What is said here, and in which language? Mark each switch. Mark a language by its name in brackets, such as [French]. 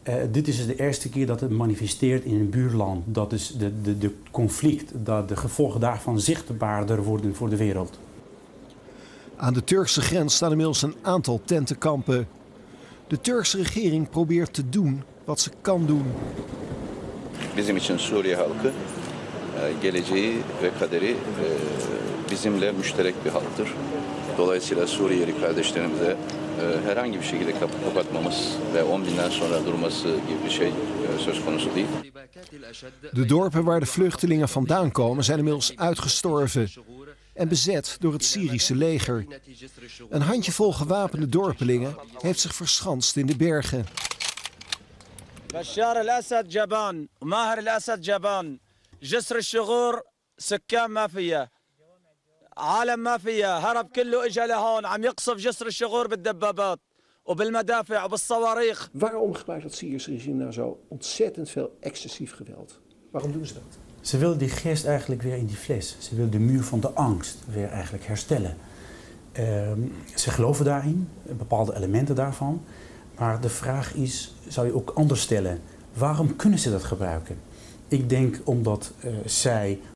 [Dutch] Dit is de eerste keer dat het manifesteert in een buurland. Dat is de conflict, dat de gevolgen daarvan zichtbaarder worden voor de wereld. Aan de Turkse grens staan inmiddels een aantal tentenkampen. De Turkse regering probeert te doen wat ze kan doen. [Turkish] Bizim için Suriye halkı, geleceği ve kaderi bizimle müşterek bir halktır. Dolayısıyla Suriyeli kardeşlerimize herhangi bir şekilde kapı kapatmamız ve 10 binden sonra durması gibi bir şey söz konusu değil. [Dutch] De dorpen waar de vluchtelingen vandaan komen zijn inmiddels uitgestorven en bezet door het Syrische leger. Een handjevol gewapende dorpelingen heeft zich verschanst in de bergen. [Arabic] Bashar al-Assad Jaban, Maher al-Assad Jaban, Jisr al-Shughur, Sukkan Mafia. عالم مافيا هرب كله اجى لهون عم يقصف جسر الشغور بالدبابات وبالمدافع وبالصواريخ [Dutch] Waarom gebruikt het Syrische regime nou zo ontzettend veel excessief geweld? Waarom doen ze dat? Ze wilden die geest eigenlijk weer in die fles. Ze wilden de muur van de angst weer eigenlijk herstellen. Ze geloven daarin, bepaalde elementen daarvan. Maar de vraag is, zou je ook anders stellen, waarom kunnen ze dat gebruiken? Ik denk omdat zij...